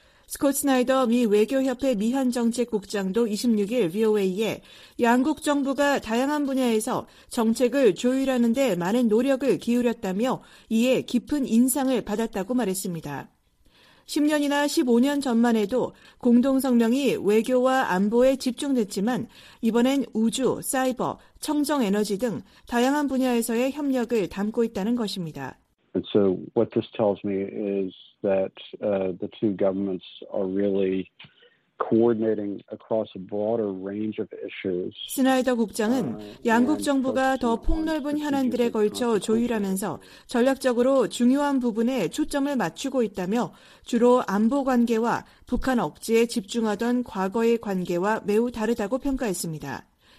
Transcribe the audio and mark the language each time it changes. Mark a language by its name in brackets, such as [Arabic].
[Korean] 스콧 스나이더 미 외교협회 미한정책국장도 26일 VOA에 양국 정부가 다양한 분야에서 정책을 조율하는 데 많은 노력을 기울였다며 이에 깊은 인상을 받았다고 말했습니다. 10년이나 15년 전만 해도 공동성명이 외교와 안보에 집중됐지만 이번엔 우주, 사이버, 청정에너지 등 다양한 분야에서의 협력을 담고 있다는 것입니다. [English] And so what this tells me is that the two governments are really coordinating across a broader range of issues. [Korean] 스나이더 국장은 양국 정부가 더 폭넓은 현안들에 걸쳐 조율하면서 전략적으로 중요한 부분에 초점을 맞추고 있다며 주로 안보 관계와 북한 억제에 집중하던 과거의 관계와 매우 다르다고 평가했습니다.